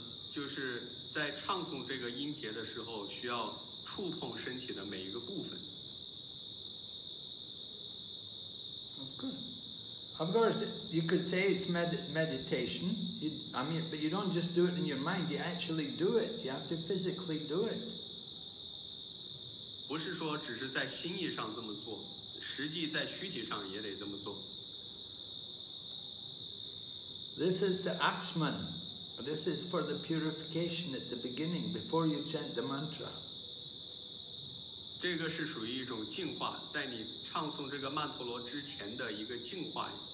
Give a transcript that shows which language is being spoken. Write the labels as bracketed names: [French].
[Chinese] 就是在唱诵这个音节的时候需要触碰身体的每一个部分 [English] Of course you could say it's meditation I mean, but you don't just do it in your mind you actually do it you have to physically do it [Chinese] 不是说只是在心意上这么做实际在躯体上也得这么做 [English] This is the Axman This is for the purification at the beginning, before you chant the mantra. [Chinese] 这个是属于一种净化，在你唱诵这个曼陀罗之前的一个净化。